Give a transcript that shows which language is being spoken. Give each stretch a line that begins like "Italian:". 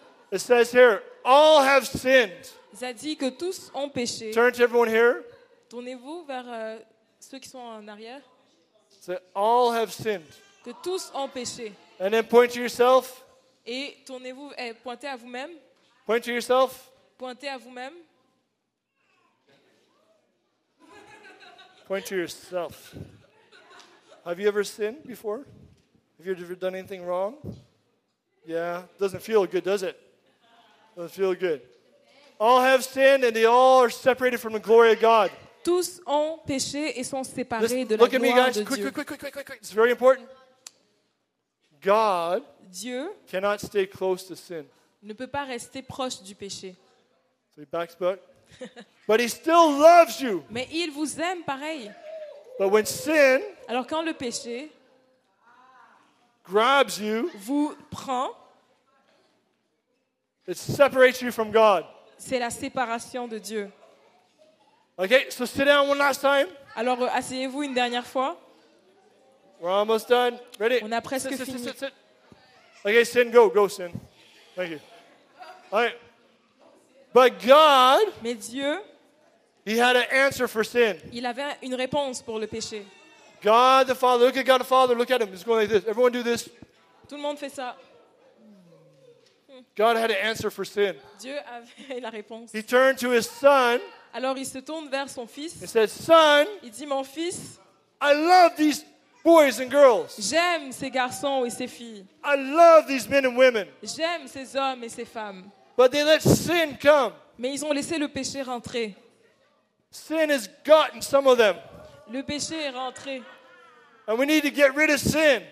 English: It says here, all have sinned.
French: Ça dit que tous ont péché.
English: Turn to everyone here.
French: Tournez-vous vers ceux qui sont en arrière.
English: Say, all have sinned.
French: Que tous ont péché.
English: And then point to yourself.
French: Et tournez-vous et pointez à vous-même.
English: Point to yourself.
French: Pointez à vous-même.
English: Point to yourself. Have you ever sinned before? Have you ever done anything wrong? Yeah, doesn't feel good, does it? Doesn't feel good. All have sinned and they all are separated from the glory of God.
French: Tous ont péché et sont séparés
English: Listen,
French: de la gloire de Dieu.
English: Look at me, guys. Quick. It's very important. God,
French: Dieu,
English: cannot stay close to sin.
French: Ne peut pas rester proche du péché.
English: So he backs back. But he still loves you.
French: Mais il vous aime pareil.
English: But when sin,
French: alors quand le péché
English: grabs you,
French: vous prend,
English: it separates you from God.
French: C'est la séparation de Dieu.
English: Okay, so sit down one last time.
French: Alors asseyez-vous une dernière fois.
English: We're almost done. Ready?
French: On a presque fini.
English: Sit. Okay, sin, go, sin. Thank you. All right. But God,
French: mais Dieu,
English: he had an answer for sin.
French: Il avait une réponse pour le péché.
English: God the Father, look at God the Father, look at him. He's going like this. Everyone do this.
French: Tout le monde fait ça.
English: God had an answer for sin.
French: Dieu avait la réponse.
English: He turned to his son.
French: Alors il se tourne vers son fils.
English: He said, "Son."
French: Il dit, mon fils.
English: I love these boys and girls.
French: J'aime ces garçons et ces filles.
English: I love these men and women.
French: J'aime ces hommes et ces femmes.
English: But they let sin come.
French: Mais ils ont laissé le péché rentrer.
English: Sin has gotten some of them.
French: Le péché est rentré.
English: And we need to get rid of sin.